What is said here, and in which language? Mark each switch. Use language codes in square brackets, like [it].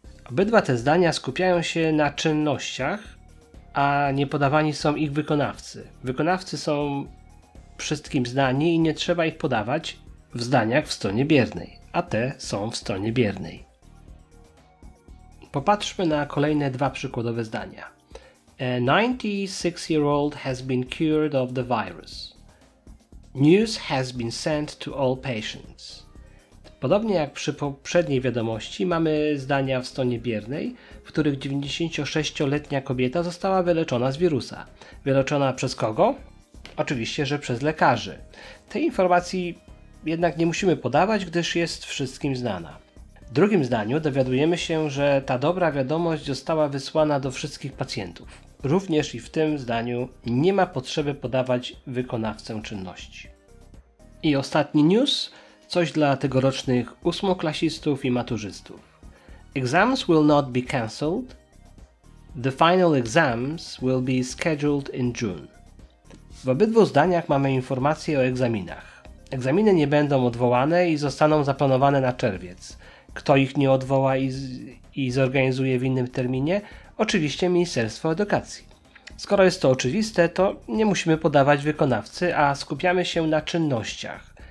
[pl] Obydwa te zdania skupiają się na czynnościach, a nie podawani są ich wykonawcy. Wykonawcy są wszystkim znani i nie trzeba ich podawać w zdaniach w stronie biernej, a te są w stronie biernej. Popatrzmy na kolejne dwa przykładowe zdania. [en] A 96-year-old has been cured of the virus. News has been sent to all patients. [pl] Podobnie jak przy poprzedniej wiadomości, mamy zdania w stronie biernej, w których 96-letnia kobieta została wyleczona z wirusa. Wyleczona przez kogo? Oczywiście, że przez lekarzy. Tej informacji jednak nie musimy podawać, gdyż jest wszystkim znana. W drugim zdaniu dowiadujemy się, że ta dobra wiadomość została wysłana do wszystkich pacjentów. Również i w tym zdaniu nie ma potrzeby podawać wykonawcę czynności. I ostatni news, coś dla tegorocznych ósmoklasistów i maturzystów. [en] Exams will not be cancelled. The final exams will be scheduled in June. [pl] W obydwu zdaniach mamy informacje o egzaminach. Egzaminy nie będą odwołane i zostaną zaplanowane na czerwiec. Kto ich nie odwoła i zorganizuje w innym terminie? Oczywiście Ministerstwo Edukacji. Skoro jest to oczywiste, to nie musimy podawać wykonawcy, a skupiamy się na czynnościach.